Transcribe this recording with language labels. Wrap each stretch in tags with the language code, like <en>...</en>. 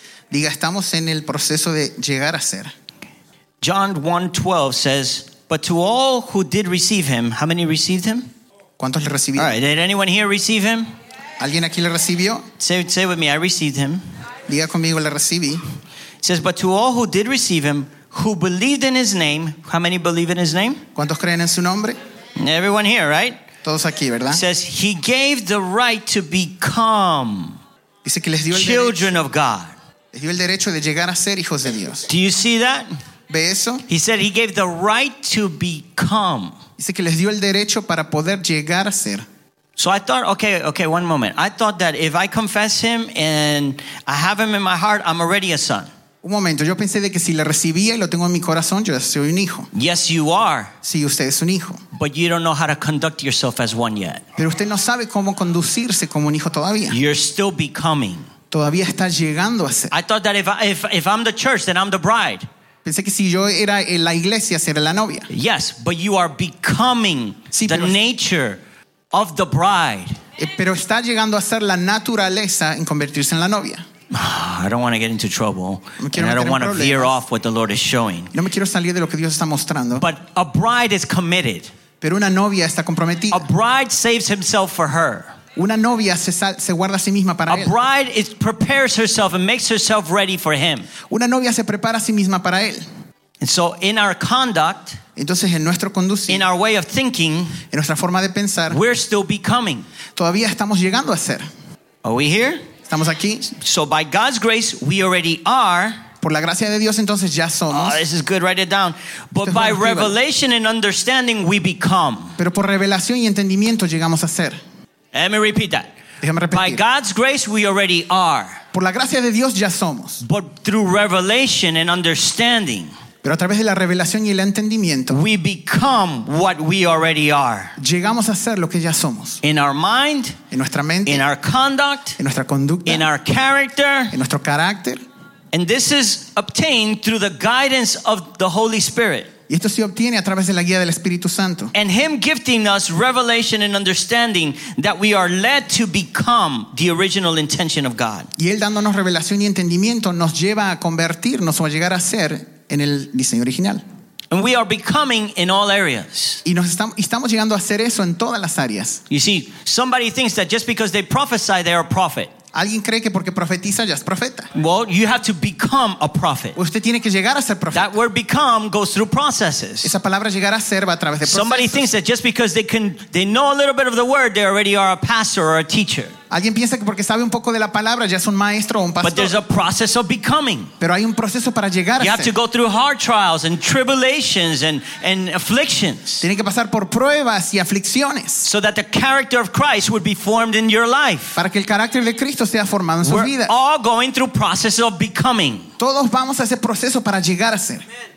<es>Diga, estamos en el proceso de llegar a ser.</es> <en>John 1:12 says, but to all who did receive him, how many received him?</en> <es>¿Cuántos le recibieron?</es> <en>All right, did anyone here receive him?</en> <es>¿Alguien aquí le recibió?</es> <en>Say with me, I received him.</en> <es>Diga conmigo, la recibí.</es> <en>It says, but to all who did receive him, who believed in his name, how many believe in his name?</en> <es>¿Cuántos creen en su nombre?</es> <en>Everyone here, right?</en> <es>Todos aquí, ¿verdad?</es> <en>It says, he gave the right to become.</en> <es>Dice que les dio el</es> <en>children</en> <es>derecho.</es> <en>Of God.</en> <es>Les dio el derecho de llegar a ser hijos de Dios.</es> <en>Do you see that?</en> <es>¿Ve eso?</es> <en>He said he gave the right to become.</en> <es>Dice que les dio el derecho para poder llegar a ser.</es> <en>So I thought, okay, one moment. I thought that if I confess him and I have him in my heart, I'm already a son.</en> <es>Un momento, yo pensé de que si le recibía y lo tengo en mi corazón, yo soy un hijo.</es> <en>Yes, you are.</en> <es>Sí, usted es un hijo.</es> <en>But you don't know how to conduct yourself as one yet.</en> <es>Pero usted no sabe cómo conducirse como un hijo todavía.</es> <en>You're still becoming.</en> <es>todavía está llegando a ser.</es> <en>I thought that if I'm the church, then I'm the bride.</en> <es>Pensé que si yo era la iglesia, sería la novia.</es> <en>Yes, but you are becoming the nature of the bride.</en> <es>Pero está llegando a ser la naturaleza en convertirse en la novia.</es> <en>I don't want to get into trouble. And I don't want to veer off what the Lord is showing.</en> <es>No me quiero salir de lo que Dios está mostrando.</es> <en>But a bride is committed.</en> <es>Pero una novia está comprometida.</es> <en>A bride saves himself for her.</en> <es>Una novia se guarda a sí misma para a él.</es> <en>A bride prepares herself and makes herself ready for him.</en> <es>Una novia se prepara a sí misma para él.</es> <en>And so in our conduct,</en> <es>entonces en nuestro conducir,</es> <en>in our way of thinking,</en> <es>en nuestra forma de pensar,</es> <en>we're still becoming.</en> <es>Todavía estamos llegando a ser.</es> <en>Are we here?</en> <es>Estamos aquí.</es> <en>So by God's grace, we already are.</en> <es>Por la gracia de Dios, entonces ya somos.</es> <en>Oh, this is good. Write it down. But by revelation and understanding, we become.</en> <es>Pero por revelación y entendimiento llegamos a ser.</es> <en>Let me repeat that.</en> <es>Déjame repetir.</es> <en>By God's grace, we already are.</en> <es>Por la gracia de Dios, ya somos.</es> <en>But through revelation and understanding,</en> <es>pero a través de la revelación y el entendimiento,</es> <en>we become what we already are.</en> <es>Llegamos a ser lo que ya somos.</es> <en>In our mind,</en> <es>en nuestra mente,</es> <en>in our conduct,</en> <es>en nuestra conducta,</es> <en>in our character,</en> <es>en nuestro carácter.</es> <en>And this is obtained through the guidance of the Holy Spirit.</en> <es>Y esto se obtiene a través de la guía del Espíritu Santo.</es> <en>And him gifting us revelation and understanding that we are led to become the original intention of God.</en> <es>Y él dándonos revelación y entendimiento nos lleva a convertirnos o a llegar a ser en el diseño original.</es> <en>And we are becoming in all areas.</en> <es>Y estamos llegando a ser eso en todas las áreas.</es> <en>You see, somebody thinks that just because they prophesy they are a prophet.</en> <es>Alguien cree que porque profetiza ya es profeta.</es> <en>Well, you have to become a prophet.</en> <es>Usted tiene que llegar a ser profeta.</es> <en>That word become goes through processes.</en> <es>Esa palabra llegar a ser va a través de procesos.</es> <en>Somebody thinks that just because they know a little bit of the word, they already are a pastor or a teacher.</en> <es>Alguien piensa que porque sabe un poco de la palabra ya es un maestro o un pastor.</es> <en>But there's a process of becoming.</en> <es>Pero hay un proceso para llegar a ser.</es> <en>You have to go through hard trials and tribulations and afflictions.</en> <es>Tiene que pasar por pruebas y aflicciones.</es> <en>So that the character of Christ would be formed in your life.</en> <es>Para que el carácter de Cristo sea formado en su vida.</es> <en>We're all going through process of becoming.</en> <es>Todos vamos a ese proceso para llegar a ser.</es>